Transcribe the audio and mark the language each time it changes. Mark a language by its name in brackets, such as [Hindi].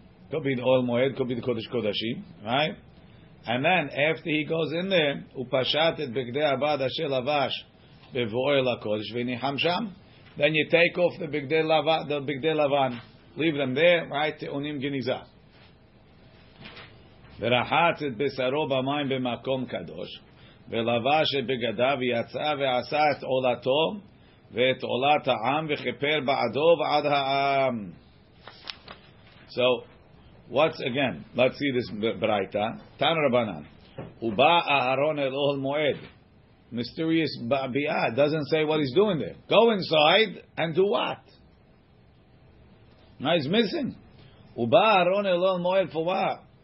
[English] Could be the Ohel Moed, could be the Kodesh Kodashim, right? And then after he goes in there, [Hebrew] ופשט את בגדי הבד אשר לבש בבואו אל הקודש וניחם שם. [English] Then you take off the בגדי לבן, leave them there, right? [Hebrew] טעונים גניזה. ורחץ את בשרו במים במקום קדוש ולבש את בגדיו ויצא ועשה את עולתו ואת עולת העם וכפר בעדו ועד העם. [English] So what's again, let's see this ברייתא. [Hebrew] תנא רבנן, ובא אהרון אל אוהל מועד. [English] Mysterious ביעד, doesn't say what he's doing there. Go inside and do what? Now he's missing. [Hebrew] ובא אהרון אל אוהל מועד [English] for what?